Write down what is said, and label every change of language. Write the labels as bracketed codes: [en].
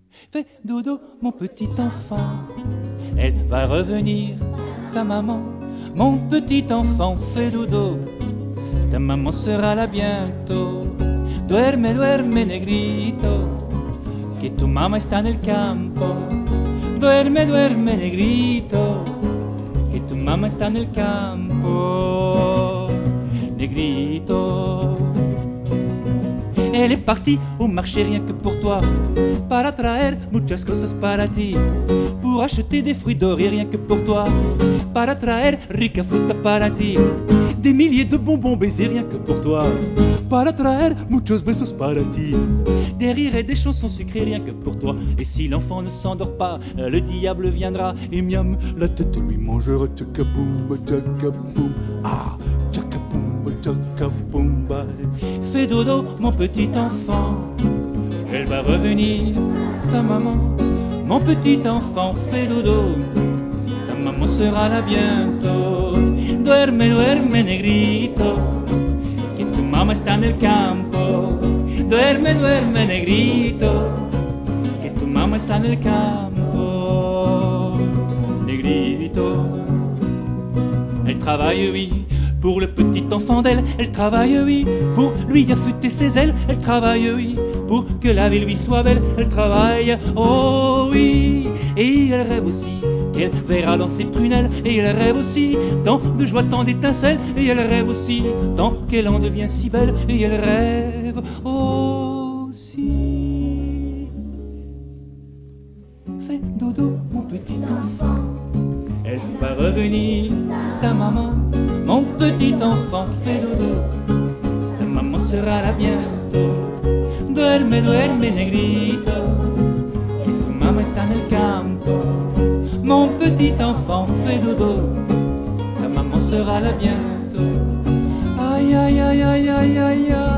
[fr] Fais dodo, mon petit enfant. Elle va revenir, ta maman. Mon petit enfant, fais dodo. Ta maman sera là bientôt. [es] Duerme, duerme, negrito. Que tu mamá está en el campo. Duerme, duerme, negrito. Que tu mamá está en el campo. Negrito. [fr] Elle est partie au marché rien que pour toi. [es] Para traer muchas cosas para ti. [fr] Pour acheter des fruits dorés rien que pour toi. [es] Para traer rica fruta para ti. [fr] Des milliers de bonbons baisés rien que pour toi. [es] Para traer muchos besos para ti. [fr] Des rires et des chansons sucrées rien que pour toi. Et si l'enfant ne s'endort pas, le diable viendra. Et miam, la tête lui mangera. Tchakaboumba, tchakaboumba. Ah, tchakaboumba, tchakaboumba. Fais dodo, mon petit enfant. Elle va revenir, ta maman. Mon petit enfant, fais dodo. Ta maman sera là bientôt. [es] Duerme, duerme, negrito. Que tu mamá está en el campo. Duerme, duerme, negrito. Que tu mamá está en el campo. Negrito. [fr] Elle travaille, oui, pour le petit enfant d'elle. Elle travaille, oui, pour lui affûter ses ailes. Elle travaille, oui, pour que la vie lui soit belle. Elle travaille, oh oui. Et elle rêve aussi qu'elle verra dans ses prunelles. Et elle rêve aussi tant de joie, tant d'étincelles. Et elle rêve aussi tant qu'elle en devient si belle. Et elle rêve aussi. Fais dodo, mon petit enfant. Elle va revenir, ta maman. Mon petit enfant, fais dodo. Ta maman sera là bientôt. [es] Duerme, duerme, negrito. Que tu mamá está en el campo. [fr] Mon petit enfant, fais dodo. Ta maman sera là bientôt. Aïe, aïe, aïe, aïe, aïe, aïe, aïe.